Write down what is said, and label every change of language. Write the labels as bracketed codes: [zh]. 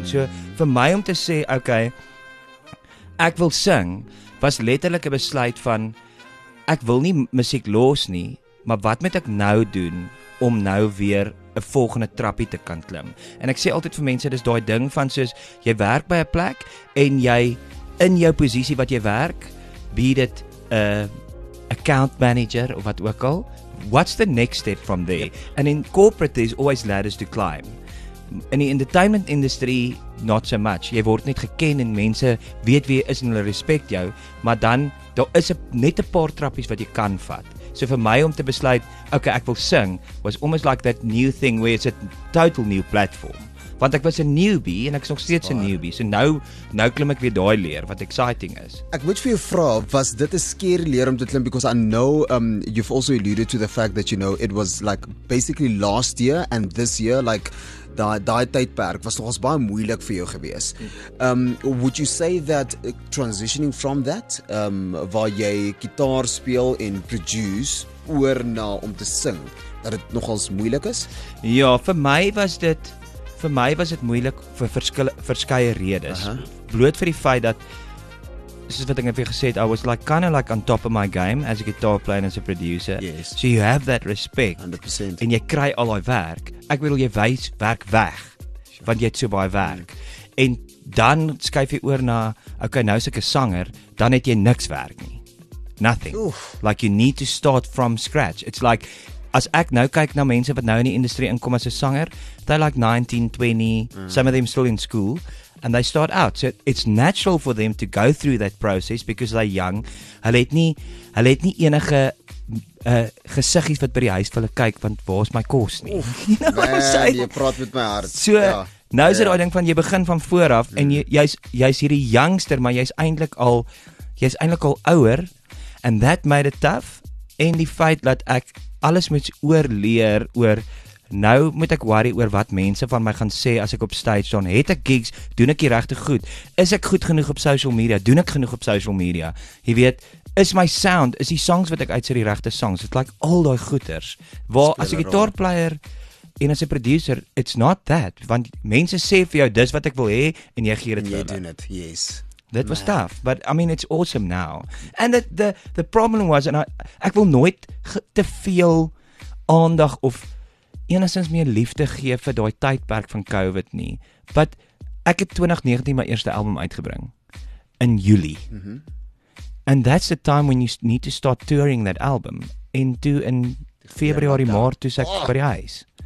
[af] Mm-hmm. So vir my om te sê, okay, ek wil sing, was letterlik 'n besluit van, ek wil nie musiek los nie, maar wat moet ek nou doen om nou weer 'n volgende trappie te kan klim? En ek sê altyd vir mense, dis daai ding van soos, jy werk by 'n plek en jy in jou posisie wat jy werk, be dit 'n account manager of wat ook al, [en] what's the next step from there? And in corporate there's always ladders to climb. In die entertainment industry, not so much. [af] Jy word net geken en mense weet wie jy is en hulle respek jou, maar dan, daar is net 'n paar trappies wat jy kan vat. So vir my om te besluit, okay, ek wil sing, was [en] almost like that new thing where it's a total new platform. [af] Want ek was 'n newbie en ek is nog steeds 'n newbie. So nou klim ek weer daai leer wat exciting is. Ek moet vir jou vra, was dit 'n skeer leer om te klim? [en] Because I know you've also alluded to the fact that, you know, it was like basically last year and this year, like [af] daai tydperk was nogals baie moeilik vir jou gewees. [en] Would you say that transitioning from that, [af] waar jy gitaar speel en produce, oor na om te sing, dat dit nogals moeilik is? Ja, vir my was dit moeilik vir verskeie redes. Bloot vir die feit dat, soos wat ek net vir gesê het, [en] I was like kind of like on top of my game as a guitar player and as a producer. Yes. So you have that respect. 100%. [af] En jy kry al daai werk. Ek bedoel, jy wys werk weg, want jy het so baie werk. En dan skuif jy oor na, okay, nou is ek 'n sanger, dan het jy niks werk nie. [en] Nothing. Oof. Like you need to start from scratch. [af] It's like, as ek nou kyk na mense wat nou in die industrie inkom as 'n sanger, [en] they're like 19, 20, some of them still in school, and they start out. So it's natural for them to go through that process because they're young. [af] Hulle het nie enige gesiggies wat by die huis vir hulle kyk, want waar is my kos nie? Jy praat met my hart. So, nou is dit daai ding van, jy begin van voor af, en jy's hierdie youngster, maar jy's eintlik al ouer, [en] and that made it tough, [af] en die feit dat ek alles moet oorleer oor, nou moet ek worry oor wat mense van my gaan sê as ek op stage staan. Het ek gigs? Doen ek die regte goed? Is ek goed genoeg op social media? Doen ek genoeg op social media? Jy weet, is my sound, is die songs wat ek uitsit die regte songs? [en] It's like [af] al daai goeters. Waar as 'n guitar player en as 'n producer, [en] it's not that. [af] Want mense sê vir jou, dis wat ek wil hê, en jy gee dit vir hulle. Jy doen dit, yes. [en] That was tough, but I mean it's awesome now. And the problem was, [af] and ek wil nooit te veel aandag of enigstens meer liefde gee vir daai tydperk van COVID nie. But ek het 2019 my eerste album uitgebring in Julie. Mm-hmm. [en] And that's the time when you need to start touring that album into in February, March [af] toe ek by die huis.